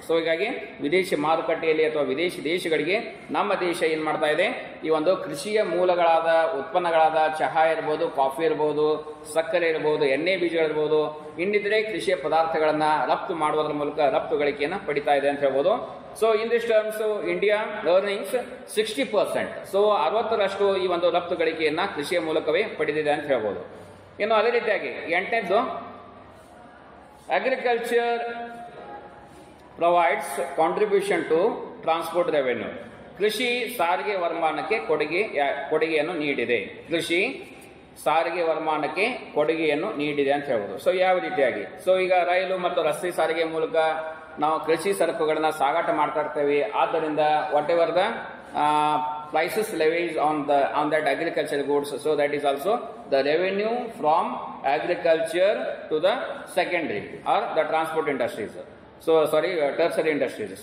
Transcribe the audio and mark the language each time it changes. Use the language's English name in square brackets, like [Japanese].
[Kannada] So ಹೀಗಾಗಿ ವಿದೇಶಿ ಮಾರುಕಟ್ಟೆಯಲ್ಲಿ ಅಥವಾ ವಿದೇಶಿ ದೇಶಗಳಿಗೆ ನಮ್ಮ ದೇಶ ಏನು ಮಾಡ್ತಾ ಇದೆ, ಈ ಒಂದು ಕೃಷಿಯ ಮೂಲಗಳಾದ ಉತ್ಪನ್ನಗಳಾದ ಚಹಾ ಇರ್ಬೋದು, ಕಾಫಿ ಇರ್ಬೋದು, ಸಕ್ಕರೆ ಇರ್ಬೋದು, ಎಣ್ಣೆ ಬೀಜಗಳಿರ್ಬೋದು, ಇನ್ನಿತರೆ ಕೃಷಿಯ ಪದಾರ್ಥಗಳನ್ನು ರಫ್ತು ಮಾಡುವುದರ ಮೂಲಕ ರಫ್ತು ಗಳಿಕೆಯನ್ನು ಪಡಿತಾ ಇದೆ ಅಂತ ಹೇಳ್ಬೋದು. [English] So in this terms India earnings 60%. [Kannada] So 60% ಈ ಒಂದು ರಫ್ತು ಗಳಿಕೆಯನ್ನು ಕೃಷಿಯ ಮೂಲಕವೇ ಪಡೆದಿದೆ ಅಂತ ಹೇಳ್ಬೋದು. ಇನ್ನು ಅದೇ ರೀತಿಯಾಗಿ [English] 8th agriculture provides contribution to transport revenue. [Kannada] ಕೃಷಿ ಸಾರಿಗೆ ವರಮಾನಕ್ಕೆ ಕೊಡುಗೆಯನ್ನು ನೀಡಿದೆ. ಕೃಷಿ ಸಾರಿಗೆ ವರಮಾನಕ್ಕೆ ಕೊಡುಗೆಯನ್ನು ನೀಡಿದೆ ಅಂತ ಹೇಳ್ಬೋದು. ಸೊ ಯಾವ ರೀತಿಯಾಗಿ, ಸೊ ಈಗ ರೈಲು ಮತ್ತು ರಸ್ತೆ ಸಾರಿಗೆ ಮೂಲಕ ನಾವು ಕೃಷಿ ಸರಕುಗಳನ್ನು ಸಾಗಾಟ ಮಾಡ್ತಾ ಇರ್ತೇವೆ. [English] ಆದ್ದರಿಂದ whatever the prices levies on that agriculture goods, so that is also the revenue from agriculture to the secondary or the transport industries, so sorry tertiary industries.